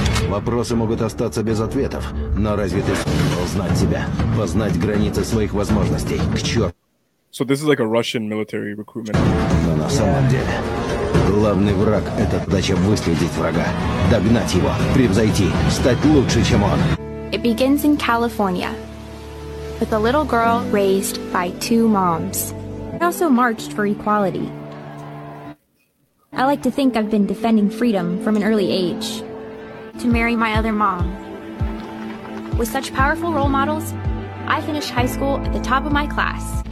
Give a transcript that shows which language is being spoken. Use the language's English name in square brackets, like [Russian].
[Russian] Вопросы могут остаться без ответов, но разве ты сможешь знать себя, познать границы своих возможностей? К черту. [English] So this is like a Russian military recruitment. [Russian] Но на самом деле. Главный враг – это задача выследить врага, догнать его, превзойти, стать лучше, чем он. [English] It begins in California, with a little girl raised by two moms. I also marched for equality. I like to think I've been defending freedom from an early age. To marry my other mom. With such powerful role models, I finished high school at the top of my class.